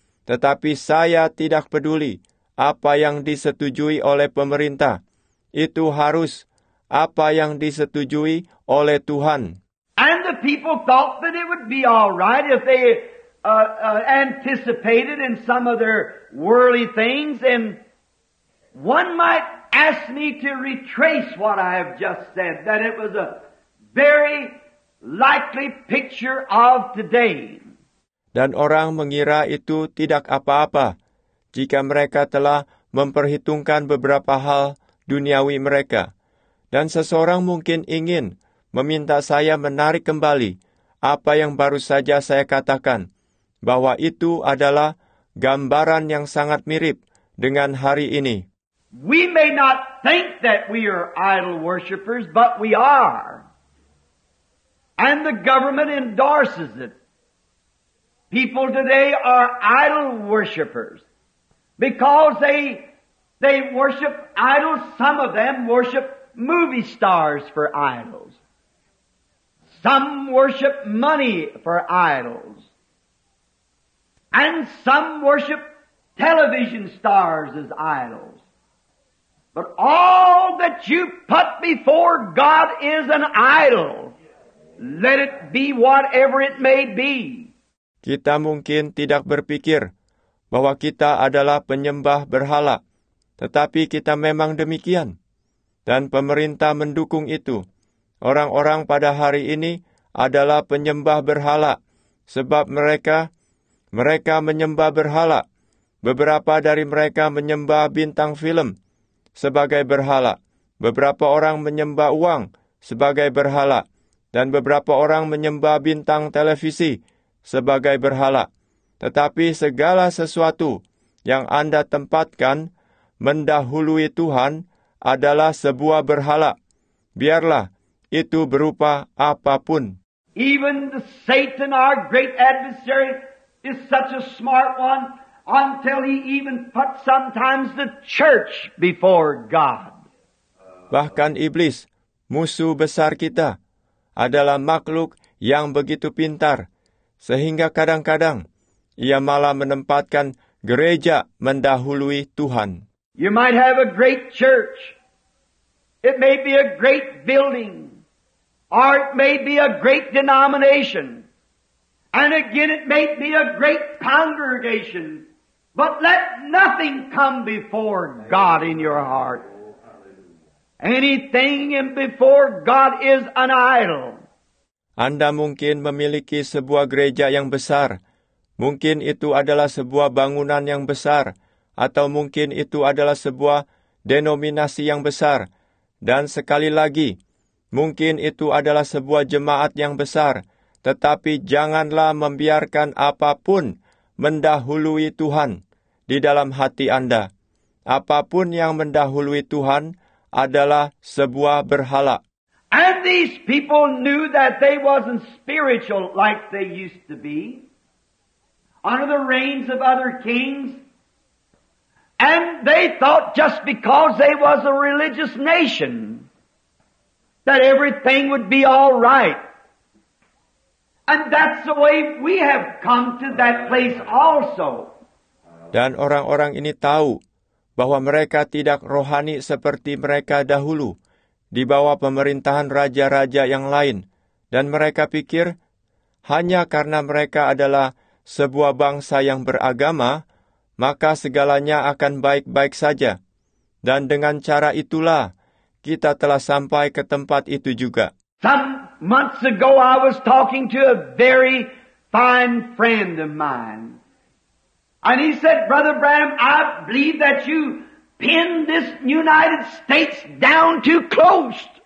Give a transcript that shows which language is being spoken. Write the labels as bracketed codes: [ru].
[id] Tetapi saya tidak peduli apa yang disetujui oleh pemerintah. Itu harus apa yang disetujui oleh Tuhan. [en] And the people thought that it would be all right if they anticipated in some of their worldly things. And one might ask me to retrace what I have just said, that it was a very likely picture of today. [id] Dan orang mengira itu tidak apa-apa jika mereka telah memperhitungkan beberapa hal duniawi mereka. Dan seseorang mungkin ingin meminta saya menarik kembali apa yang baru saja saya katakan, bahwa itu adalah gambaran yang sangat mirip dengan hari ini. [en] We may not think that we are idol worshippers, but we are. And the government endorses it. People today are idol worshippers because they worship idols. Some of them worship movie stars for idols. Some worship money for idols. And some worship television stars as idols. But all that you put before God is an idol. Let it be whatever it may be. [id] Kita mungkin tidak berpikir bahwa kita adalah penyembah berhala. Tetapi kita memang demikian. Dan pemerintah mendukung itu. Orang-orang pada hari ini adalah penyembah berhala. Sebab mereka menyembah berhala. Beberapa dari mereka menyembah bintang film sebagai berhala. Beberapa orang menyembah uang sebagai berhala. Dan beberapa orang menyembah bintang televisi sebagai berhala. Tetapi segala sesuatu yang Anda tempatkan mendahului Tuhan adalah sebuah berhala. Biarlah itu berupa apapun. [en] Even the Satan, our great adversary, is such a smart one until he even put sometimes the church before God. [id] Bahkan iblis, musuh besar kita, adalah makhluk yang begitu pintar, sehingga kadang-kadang ia malah menempatkan gereja mendahului Tuhan. [en] You might have a great church. It may be a great building. Or it may be a great denomination. And again, it may be a great congregation. But let nothing come before God in your heart. Anything before God is an idol. [id] Anda mungkin memiliki sebuah gereja yang besar. Mungkin itu adalah sebuah bangunan yang besar. Atau mungkin itu adalah sebuah denominasi yang besar. Dan sekali lagi, mungkin itu adalah sebuah jemaat yang besar. Tetapi janganlah membiarkan apapun mendahului Tuhan di dalam hati Anda. Apapun yang mendahului Tuhan adalah sebuah berhala. [en] And these people knew that they wasn't spiritual like they used to be under the reigns of other kings. And they thought just because they was a religious nation that everything would be all right. And that's the way we have come to that place also. [id] Dan orang-orang ini tahu bahwa mereka tidak rohani seperti mereka dahulu, di bawah pemerintahan raja-raja yang lain. Dan mereka pikir, hanya karena mereka adalah sebuah bangsa yang beragama, maka segalanya akan baik-baik saja. Dan dengan cara itulah kita telah sampai ke tempat itu juga. [en] Some months ago I was talking to a very fine friend of mine. And he said, Brother Branham, I believe that you pinned this United States down too close.